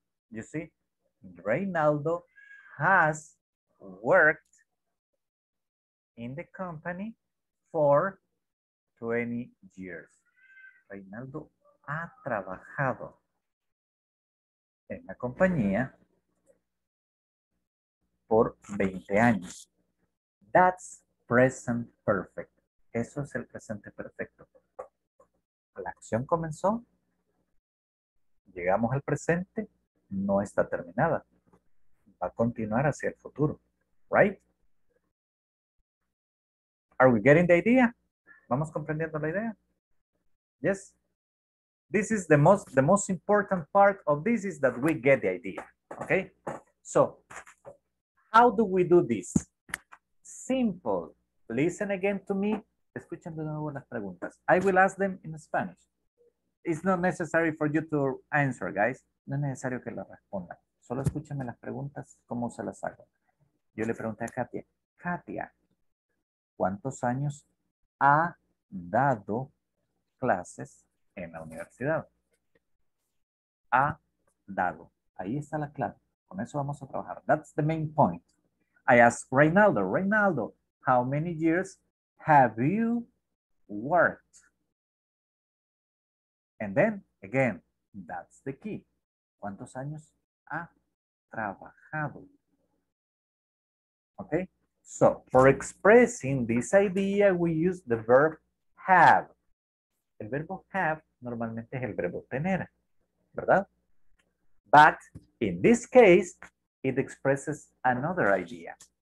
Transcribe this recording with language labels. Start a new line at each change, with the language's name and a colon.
English: You see, Reinaldo has worked in the company for 20 years.
Spanish: Reinaldo ha trabajado en la compañía por 20 años.
English: That's present perfect.
Spanish: Eso es el presente perfecto. La acción comenzó. Llegamos al presente. No está terminada. Va a continuar hacia el futuro. Right?
English: Are we getting the idea?
Spanish: ¿Vamos comprendiendo la idea?
English: Yes. This is the most important part of this is that we get the idea. Okay? So, how do we do this? Simple. Listen again to me.
Spanish: Escuchen de nuevo las preguntas.
English: I will ask them in Spanish. It's not necessary for you to answer, guys.
Spanish: No es necesario que la respondan. Solo escúchenme las preguntas, cómo se las hago. Yo le pregunté a Katia. Katia, ¿cuántos años ha dado clases en la universidad? Ha dado. Ahí está la clave. Con eso vamos a trabajar.
English: That's the main point. I asked Reinaldo. Reinaldo, how many years have you worked? And then, again, that's the key.
Spanish: ¿Cuántos años ha trabajado?
English: Okay? So, for expressing this idea, we use the verb have.
Spanish: El verbo have normalmente es el verbo tener, ¿verdad?
English: But in this case, it expresses another idea.